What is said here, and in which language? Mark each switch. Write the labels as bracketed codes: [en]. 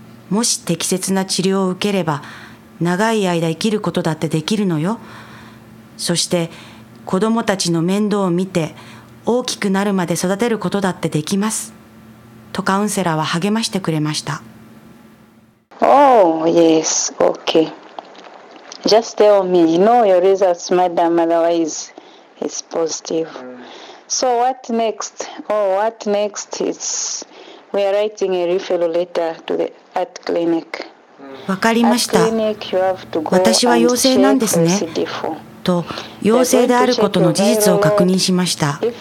[ja] もし適切な治療を受ければ、長い間生きることだってできるのよ。そして子供たちの面倒を見て大きくなるまで育てることだってできます。とカウンセラーは励ましてくれました。 [en] Oh, yes, okay. Just tell me, you know your results, madam, otherwise it's positive. So what next? Oh, what next is we are writing a referral letter to the at clinic. [ja] わかりました。私は陽性なんですね。と陽性であることの事実を確認しました。